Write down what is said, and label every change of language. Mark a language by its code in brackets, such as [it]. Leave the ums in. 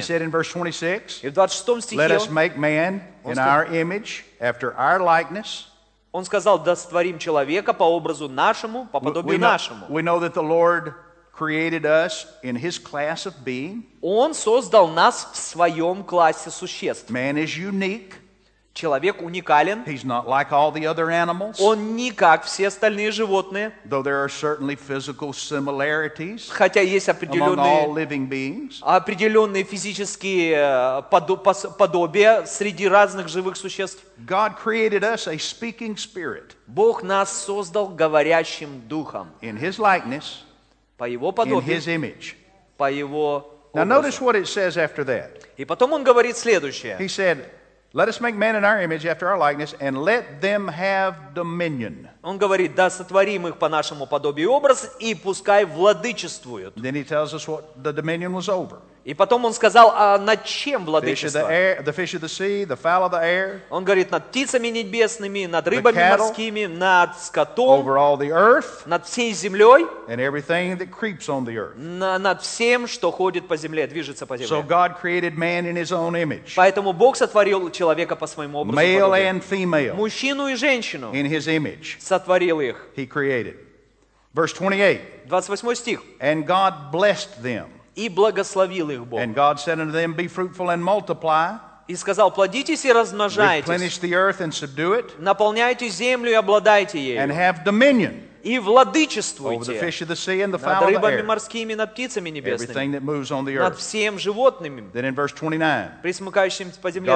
[en] He said in verse 26, [ru] и в 26 стихе [en] Let us make man in our image, after our likeness. [ru] он сказал, да створим человека по образу нашему, по подобию нашему. [en] We know that the Lord created us in his class of being. [ru] Он создал нас в своем классе существ. [en] Man is unique. [ru] Человек уникален. [en] He's not like all the other animals. [ru] Он не как все остальные животные. [en] Though there are certainly physical similarities [ru] Хотя есть определенные, [en] among all living beings. [ru] определенные физические подобия среди разных живых существ. [en] God created us a speaking spirit. [ru] Бог нас создал говорящим духом. [en] In his likeness, [ru] по его подобию. [en] In his image. [ru] По его образу. [en] Now notice what it says after that. [ru] И потом он говорит следующее. [en] He said, Let us make man in our image after our likeness and let them have dominion. And then he tells us what the dominion was over. [ru] И потом он сказал, а над чем владычество? Он говорит, над птицами небесными, над рыбами [en] cattle, [ru] морскими, над скотом, [en] over all the earth, [ru] над всей землей, [en] and everything that creeps on the earth. [ru] На, над всем, что ходит по земле, движется по земле. [en] So God created man in his own image. [ru] Поэтому Бог сотворил человека по своему образу. [en] Male and female [ru] Мужчину и женщину [en] in his image. [ru] сотворил их. [en] He created. Verse 28. [ru] 28 стих. [en] And God blessed them. [ru] и благословил их Бог. [en] And God said unto them, Be fruitful and multiply. [ru] И сказал, плодитесь и размножайтесь. Наполняйте землю и обладайте ею. [en] And have dominion. [ru] и владычествуйте над рыбами морскими, и над птицами небесными, над всем животными, присмыкающимся по земле.